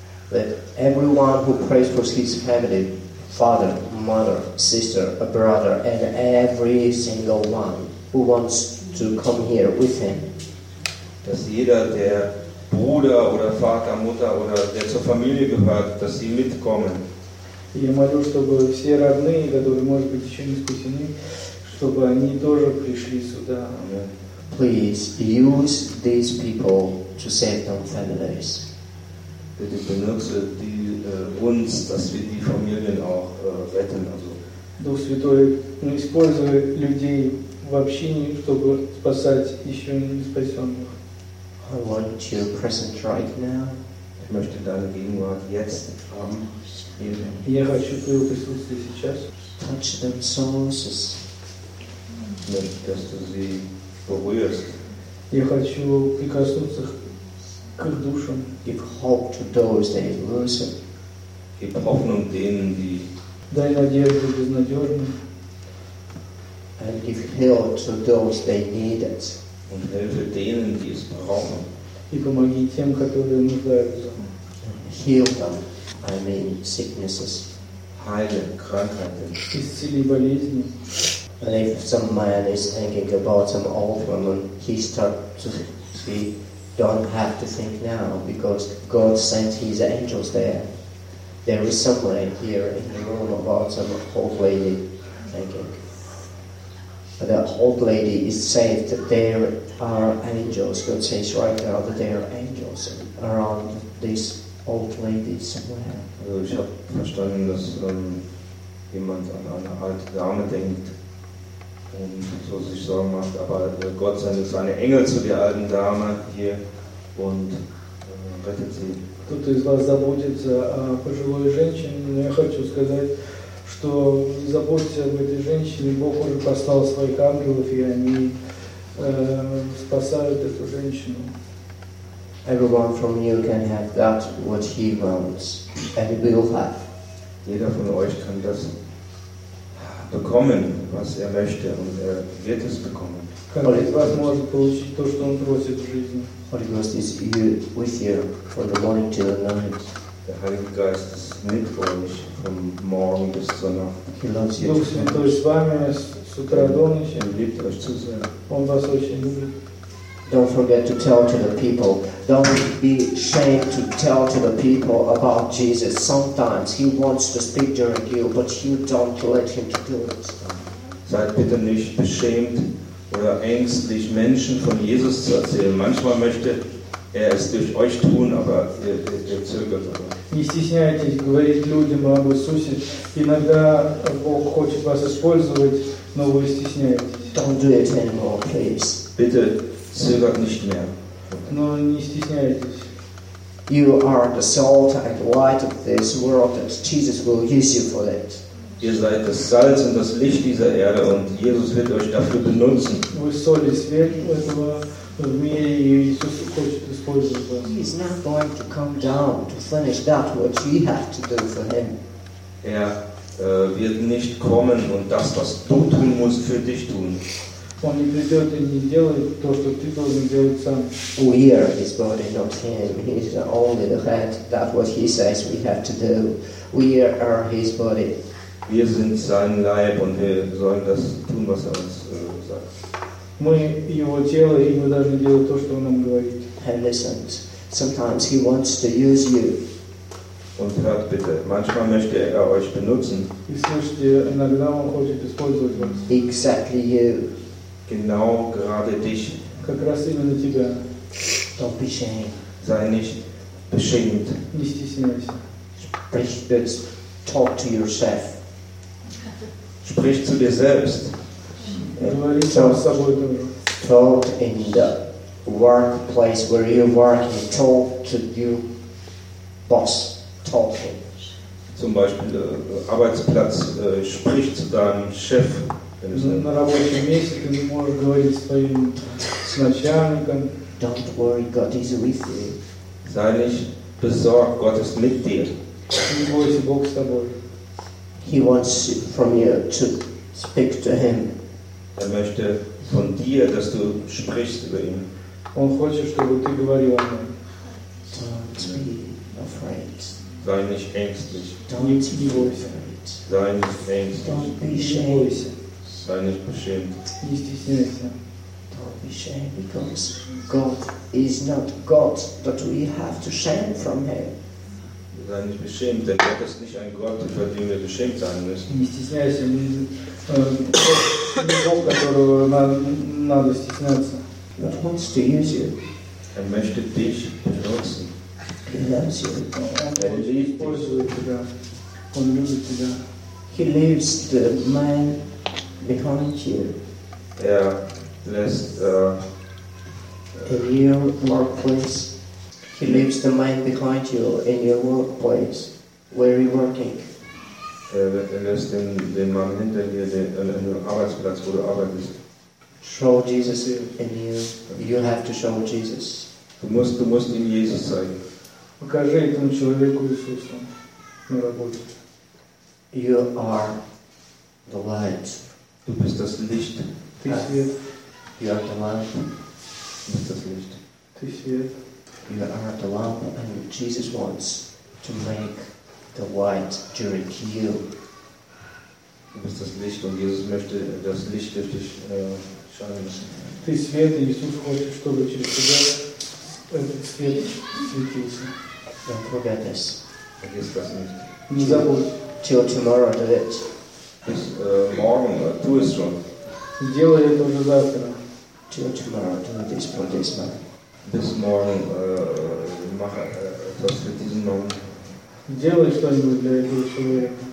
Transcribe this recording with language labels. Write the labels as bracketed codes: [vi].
[en] That everyone who prays for his family, father, mother, sister, a brother, and every single one who wants to come here with him. [de] Dass jeder, der Bruder oder Vater, Mutter oder der zur Familie gehört, dass sie mitkommen. [ru] Я молю, чтобы все родные, которые, может быть, еще не спасены, чтобы они тоже пришли сюда. [en] Please use these people to save their families. [de] Bitte benutze uns, dass wir die Familien auch retten. Also. [ru] Дух Святой, используй людей в общине, чтобы спасать еще не спасенных. [en] I want your presence right now. [de] Ich möchte deine Gegenwart jetzt haben. [ru] Я хочу твоего присутствия сейчас. [en] Touch them souls. [de] Dass du sie berührst. [ru] Я хочу прикоснуться к их душам. [en] Give hope to those that are losing. [de] Gib Hoffnung denen, die. [ru] Дай надежду безнадежным. [en] And give help to those that need it. [de] Und helfe denen, die es brauchen. [ru] И помоги тем, которые нуждаются. [en] Heal them. I mean sicknesses. [de] Heile Krankheiten. [ru] Исцели болезни. [en] And if some man is thinking about some old woman, he starts to he don't have to think now because God sent his angels there. There is somebody here in the room about some old lady thinking. But the old lady is saved that there are angels. God says right now that there are angels around this old lady somewhere. [de] Also ich habe verstanden, dass jemand an eine alte Dame denkt und so sich Sorgen macht, aber Gott sendet seine Engel zu der alten Dame hier und rettet sie. [ru] Кто-то из вас заботится о пожилой женщине, но я хочу сказать, что заботьтесь об этой женщине, Бог уже послал своих ангелов, и они спасают эту женщину. [en] Everyone from you can have that what he wants, and he will have. [de] Jeder von euch kann das bekommen, was er möchte, und er wird es bekommen. [ru] Каждый из вас может получить то, что он просит в жизни. [en] Holy Ghost is with you from the morning to the night. [de] Der Heilige Geist ist mit euch vom Morgen bis zur Nacht. [en] He loves you. [ru] Дух Святой с вами с утра до ночи. Он любит вас очень сильно. Он вас очень любит. [en] Don't forget to tell to the people. Don't be ashamed to tell to the people about Jesus. Sometimes he wants to speak during you, but you don't let him to do it. [de] Seid bitte nicht beschämt oder ängstlich, Menschen von Jesus zu erzählen. Manchmal möchte er es durch euch tun, aber ihr zögert. [ru] Не стесняйтесь говорить людям об Иисусе. Иногда Бог хочет вас использовать, но вы стесняетесь. [en] Don't do it anymore, please. [de] Bitte. Zögert nicht mehr. [ru] Но не стесняйтесь. [en] You are the salt and light of this world, and Jesus will use you for that. [de] Ihr seid das Salz und das Licht dieser Erde, und Jesus wird euch dafür benutzen. [ru] Вы соль и свет этого мира, и Иисус хочет использовать вас. [en] He is not going to come down to finish that what you have to do for him. [de] Er wird nicht kommen und das, was du tun musst, für dich tun. [ru] Он не придет и не сделает то, что ты должен делать сам. [en] We are his body, not him. He is only the head. That's what he says we have to do. We are his body. [de] Wir sind sein Leib und wir sollen das tun, was er uns sagt. [ru] Мы его тело и мы должны делать то, что он нам говорит. [en] And listen, sometimes he wants to use you. [de] Und hört bitte, manchmal möchte er euch benutzen. Ich möchte [ru] иногда он хочет использовать вас. [en] Exactly you. [de] Genau gerade dich. [ru] Как раз именно тебя. [en] Don't be ashamed. [de] Sei nicht beschämt. [ru] Не стесняйся. [de] Sprich jetzt, [en] talk to yourself. [de] Sprich zu dir selbst. [en] Talk in the workplace where you work and talk to your boss. Talk to him. [de] Zum Beispiel Arbeitsplatz, sprich zu deinem Chef. [ru] На рабочем месте ты не можешь говорить своим начальником. [en] Don't worry, God is with you. [de] Sei nicht besorgt, Gott ist mit dir. [ru] Не бойся, Бог с тобой. [en] He wants from you to speak to him. [de] Er möchte von dir, dass du sprichst über ihn. [ru] Он хочет, чтобы ты говорил о нем. [en] Don't be afraid. [de] Sei nicht ängstlich. [en] Don't be afraid. [de] Sei nicht ängstlich. [en] Don't be ashamed. [de] Sei nicht beschämt. [ru] Не стесняйся. [en] Don't be ashamed, because God is not God that we have to shame from him. [de] Sei nicht beschämt, denn Gott ist nicht ein Gott, vor dem wir beschämt sein müssen. [ru] Не стесняйся, мы не Бог, которого надо стесняться. [en] God wants to use you. [de] Er möchte dich benutzen. [en] He loves you. [de] Er [ru] использует тебя. Он любит тебя. [en] He leaves the man behind you. [de] Er lässt [en] in your workplace. He leaves the man behind you in your workplace. Where are you working? [de] Er lässt den Mann hinter dir, den Arbeitsplatz, wo du arbeitest. [en] Show Jesus in you. You have to show Jesus. [de] Du musst ihm Jesus zeigen. [ru] Покажи этому человеку Иисуса на работе. [en] You are the light. [de] Du bist das Licht. [ru] Ты свет. [en] You are the lamp. [de] Du bist das Licht. [ru] Ты свет. [en] You are the lamp, and Jesus wants to make the light during you. [de] Du bist das Licht, und Jesus möchte das Licht durch dich scheinen lassen. [ru] Ты свет, и Иисус хочет, чтобы через тебя этот свет светился. [en] Don't forget this. [de] Vergiss das nicht. [ru] Не забудь. [en] Till tomorrow, do it. [de] Morgen, tu es schon. [ru] Сделай это уже завтра. [en] Till tomorrow, do this for this man. This morning, [de] mach etwas für diesen Mann. [ru] Делай что-нибудь для этого человека.